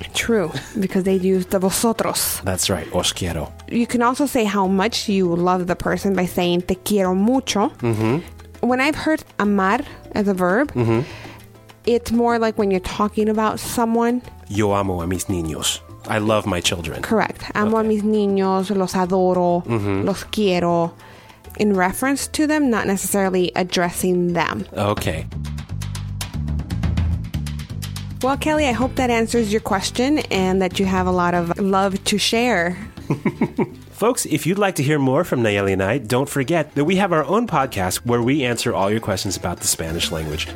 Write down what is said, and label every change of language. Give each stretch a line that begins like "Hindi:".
English: True, because they'd use the vosotros. That's right,
Spanish: os quiero.
English: You can also say how much you love the person by saying
Spanish: te quiero mucho.
English: When I've heard amar as a verb, it's more like when you're talking about someone.
Spanish: Yo amo a mis niños.
English: I love my children. Correct.
Spanish: Amo a mis niños, los adoro, los quiero.
English: In reference to them, not necessarily addressing them. Okay. Well, Kelly, I hope that answers your question and that you have a lot of love to share. Folks, if you'd like to hear more from Nayeli and I, don't forget that we have our own podcast where we answer all your questions about the Spanish language.